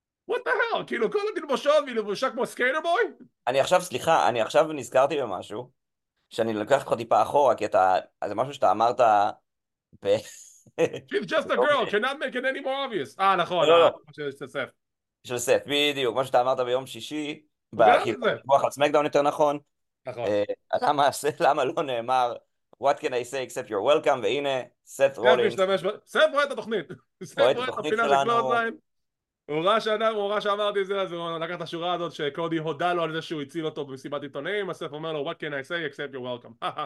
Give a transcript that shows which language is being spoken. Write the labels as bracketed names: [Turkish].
[English] What the hell? [Hebrew] כאילו כל התלבושות והיא לבושה כמו סקיילר בוי? אני עכשיו, סליחה, אני עכשיו נזכרתי במשהו שאני לוקח אותך טיפה אחורה, כי אתה, אז זה משהו שאתה אמרת ב... [English] She's just a girl, cannot make it any more obvious. [Hebrew] נכון, לא, לא. של סף, בדיוק, מה שאתה אמרת ביום שישי, הוא גרם את זה. בכיבוח על סמקדאון יותר נכון. נכון. למה לא נאמר, [English] what can I say except you're welcome, [Hebrew] והנה, סף רולינס. סף רואה את התוכנית. סף רואה את התוכנית שלנו. סף רואה את הפינה לקלוזליין. הוא ראה שאמרתי את זה, אז הוא לקח את השורה הזאת שקודי הודה לו על זה שהוא הציל אותו במסיבת עיתונאים, אסף אומר לו, [English] what can I say except you're welcome.